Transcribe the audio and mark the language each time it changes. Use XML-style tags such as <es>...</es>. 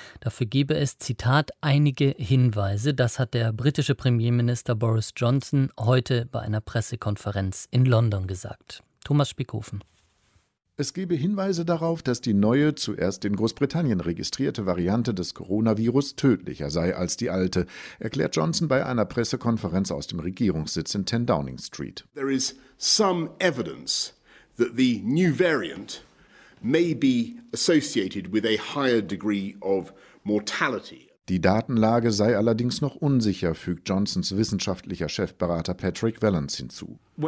<de>Dafür gebe es, Zitat, einige Hinweise. Das hat der britische Premierminister Boris Johnson heute bei einer Pressekonferenz in London gesagt. Thomas Spickhofen. Es gebe Hinweise darauf, dass die neue, zuerst in Großbritannien registrierte Variante des Coronavirus tödlicher sei als die alte, erklärt Johnson bei einer Pressekonferenz aus dem Regierungssitz in 10 Downing Street.</de> <en>There is some evidence that the new variant may be associated with a higher degree of mortality.</en> <de>Die Datenlage sei allerdings noch unsicher, fügt Johnsons wissenschaftlicher Chefberater Patrick Vallance hinzu.</de>